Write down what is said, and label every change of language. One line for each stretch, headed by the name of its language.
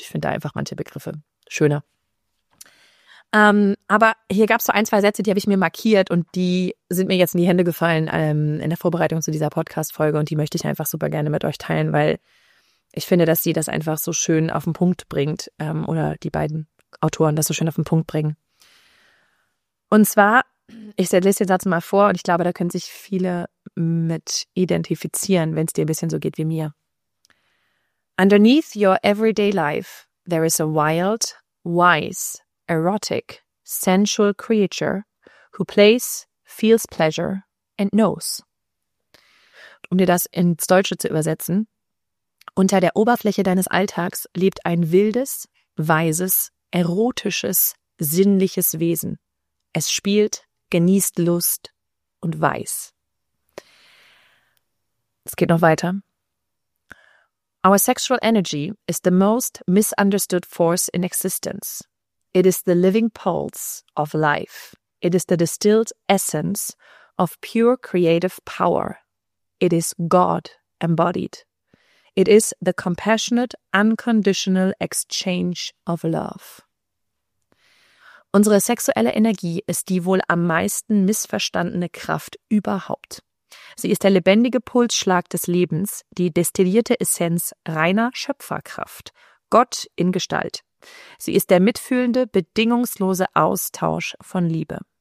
German: Ich finde da einfach manche Begriffe schöner. Aber hier gab es so ein, zwei Sätze, die habe ich mir markiert und die sind mir jetzt in die Hände gefallen in der Vorbereitung zu dieser Podcast-Folge und die möchte ich einfach super gerne mit euch teilen, weil ich finde, dass sie das einfach so schön auf den Punkt bringt oder die beiden Autoren das so schön auf den Punkt bringen. Und zwar, ich lese den Satz mal vor und ich glaube, da können sich viele mit identifizieren, wenn es dir ein bisschen so geht wie mir.
English: Underneath your everyday life, there is a wild, wise, erotic, sensual creature who plays, feels pleasure and knows.
German: Um dir das ins Deutsche zu übersetzen, unter der Oberfläche deines Alltags lebt ein wildes, weises, erotisches, sinnliches Wesen. Es spielt, genießt Lust und weiß. Es geht noch weiter.
English: Our sexual energy is the most misunderstood force in existence. It is the living pulse of life. It is the distilled essence of pure creative power. It is God embodied. It is the compassionate, unconditional exchange of love.
German: Unsere sexuelle Energie ist die wohl am meisten missverstandene Kraft überhaupt. Sie ist der lebendige Pulsschlag des Lebens, die destillierte Essenz reiner Schöpferkraft, Gott in Gestalt. Sie ist der mitfühlende, bedingungslose Austausch von Liebe.